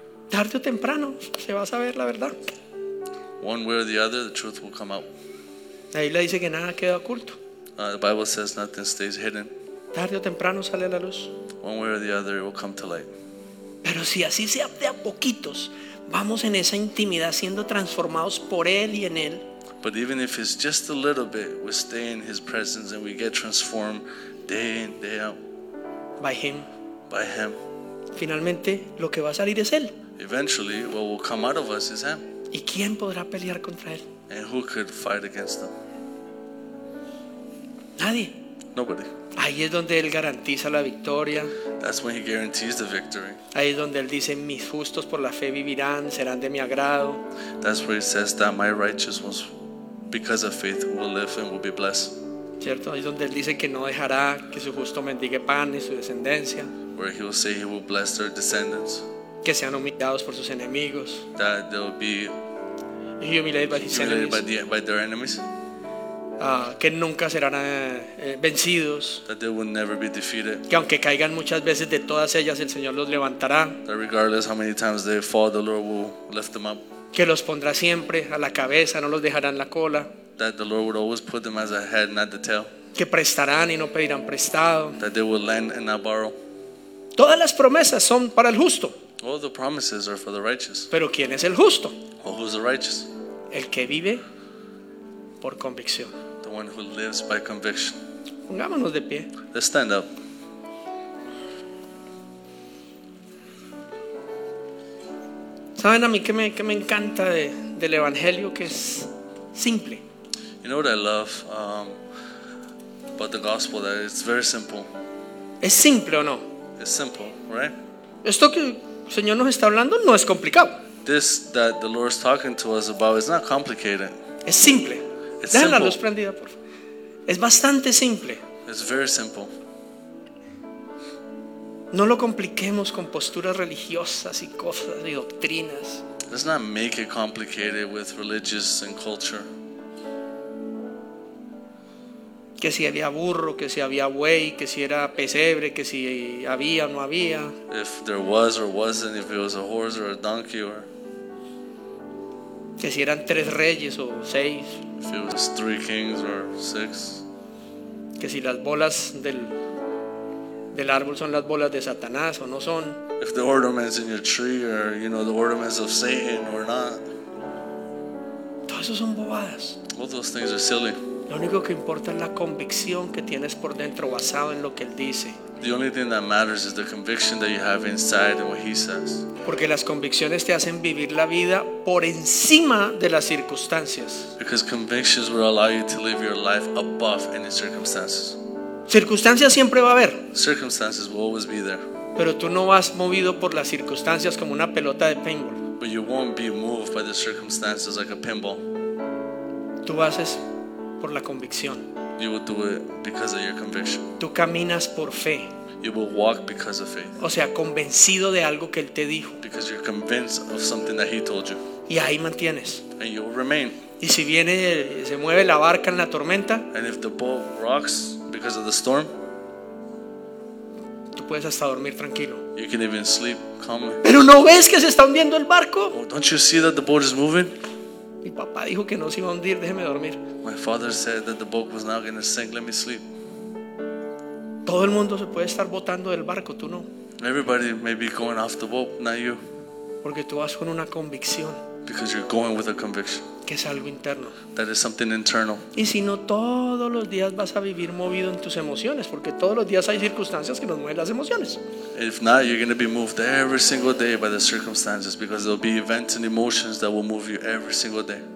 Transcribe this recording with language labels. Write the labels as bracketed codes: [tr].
[es] Tarde o temprano se va a saber la verdad. [en] One way or the other, the truth will come out. [es] Ahí le dice que nada queda oculto. [en] The Bible says nothing stays hidden. [es] Tarde o temprano sale a la luz. [en] One way or the other, it will come to light. [es] Pero si así sea de a poquitos, vamos en esa intimidad siendo transformados por él y en él. [en] But even if it's just a little bit, we stay in his presence and we get transformed day in, day out. By him. By him. [es] Finalmente, lo que va a salir es él. [en] Eventually, what will come out of us is him. [es] ¿Y quién podrá pelear contra él? [en] And who could fight against him? [es] Nadie. [en] Nobody. [es] Ahí es donde él garantiza la victoria. [en] That's when he guarantees the victory. [es] Ahí es donde él dice, mis justos por la fe vivirán, serán de mi agrado. [en] That's where he says that my righteous ones, because of faith, will live and will be blessed. [es] Cierto, ahí es donde él dice que no dejará que su justo mendigue pan y su descendencia. [en] Where he will say he will bless their descendants. [es] Que sean humillados por sus enemigos. [en] That they'll be humiliated by his enemies. By their enemies. [es] Que nunca serán vencidos. [en] That they will never be defeated. [es] Que aunque caigan muchas veces, de todas ellas el Señor los levantará. [en] That regardless how many times they fall, the Lord will lift them up. [es] Que los pondrá siempre a la cabeza, no los dejará en la cola. [en] That the Lord will always put them as a head, not the tail. [es] Que prestarán y no pedirán prestado. [en] That they will lend and not borrow. [es] Todas las promesas son para el justo. [en] All the promises are for the righteous. [es] Pero ¿quién es el justo? [en] Well, who's the righteous? [es] El que vive por convicción. [en] The one who lives by conviction. [es] Pongámonos de pie. [en] Let's stand up. [es] ¿Saben a mí qué me encanta del evangelio? Que es simple. [en] You know what I love about the gospel? That it's very simple. [es] ¿Es simple o no? [en] It's simple, right? [es] Esto que el Señor nos está hablando no es complicado. [en] This that the Lord is talking to us about is not complicated. [es] Es simple. [en] It's simple. [es] La luz prendida, por favor. Es bastante simple. [en] It's very simple. [es] No lo compliquemos con posturas religiosas y cosas y doctrinas. [en] Let's not make it complicated with religious and culture. [es] Que si había burro, que si había buey, que si era pesebre, que si había o no había. [en] If there was or wasn't, if it was a horse or a donkey or. [es] Que si eran tres reyes o seis. [en] If it was three kings or six. [es] Que si las bolas del árbol son las bolas de Satanás o no son. [en] If the ornaments in your tree are, you know, the ornaments of Satan or not. [es] Todo eso son bobadas. [en] All those things are silly. [es] Lo único que importa es la convicción que tienes por dentro basado en lo que él dice. [en] The only thing that matters is the conviction that you have inside and what he says. [es] Porque las convicciones te hacen vivir la vida por encima de las circunstancias. [en] Because convictions will allow you to live your life above any circumstances. [es] Circunstancias siempre va a haber. [en] Circumstances will always be there. [es] Pero tú no vas movido por las circunstancias como una pelota de paintball. [en] But you won't be moved by the circumstances like a pinball. [es] Tú haces por la convicción. [en] You will do it because of your conviction. [es] Tú caminas por fe. [en] You will walk because of faith. [es] O sea, convencido de algo que él te dijo. [en] Because you're convinced of something that he told you. [es] Y ahí mantienes. [en] And you will remain. [es] Y si viene, se mueve la barca en la tormenta. [en] And if the boat rocks because of the storm, [es] tú puedes hasta dormir tranquilo. [en] You can even sleep calmly. [es] Pero no ves que se está hundiendo el barco. [en] Well, don't you see that the boat is moving? [es] Mi papá dijo que no se iba a hundir, déjeme dormir. [en] My father said that the boat was not going to sink, let me sleep. [es] Todo el mundo se puede estar botando del barco, tú no. [en] Everybody may be going off the boat, not you. [es] Porque tú vas con una convicción. [en] Because you're going with a conviction. [es] Que es algo interno. [en] That is something internal. [es] Y si no, todos los días vas a vivir movido en tus emociones, porque todos los días hay circunstancias que nos mueven las emociones. [en] If not, you're going to be moved every single day by the circumstances, because there'll be events and emotions that will move you every single day.